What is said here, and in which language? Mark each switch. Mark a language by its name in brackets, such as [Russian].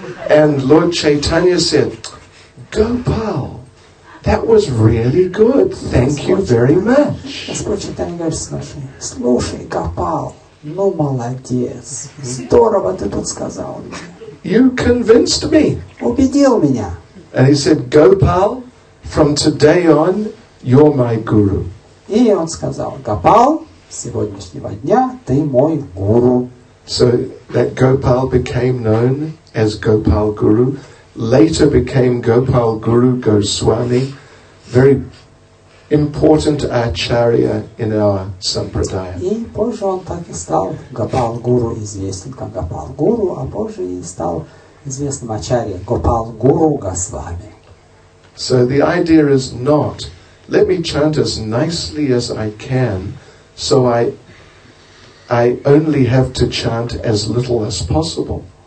[English] And Lord Chaitanya said, Gopal, that was really good. Thank you very much. [Russian] Господь Чайтанья говорит, слушай, Гопал, ну молодец. Здорово ты тут сказал мне. [English] You convinced me. [Russian] Убедил меня. [English] And he said, Gopal, from today on, you're my guru. [Russian] И он сказал, Гопал, с сегодняшнего дня ты мой гуру. [English] So that Gopal became known as Gopal Guru, later became Gopal Guru Goswami, very important acharya in our sampradaya. [Russian] И позже он так и стал Гопал Гуру, известен как Гопал Гуру, а позже и стал известным ачарьей Гопал Гуру Госвами. [English] So the idea is not, let me chant as nicely as I can, so I only have to chant as little as possible.